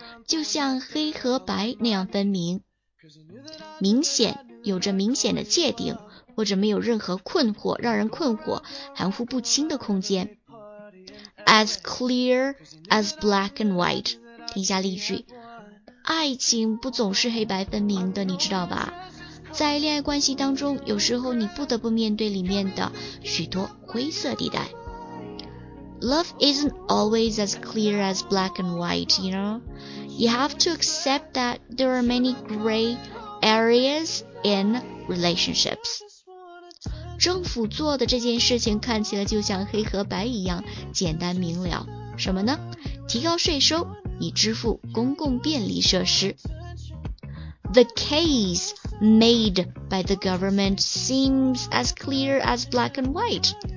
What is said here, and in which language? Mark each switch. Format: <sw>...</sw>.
<zh>就像黑和白那样分明明显有着明显的界定或者没有任何困惑让人困惑含糊不清的空间</zh> <en>As clear as black and white</en> <zh>听一下例句爱情不总是黑白分明的你知道吧在恋爱关系当中有时候你不得不面对里面的许多灰色地带</zh> <en>Love isn't always as clear as black and white, you know? You have to accept that there are many gray areas in relationships.</en> <zh>政府做的这件事情看起来就像黑和白一样简单明了什么呢提高税收以支付公共便利设施</zh> <en>The caseMade by the government seems as clear as black and white.</en>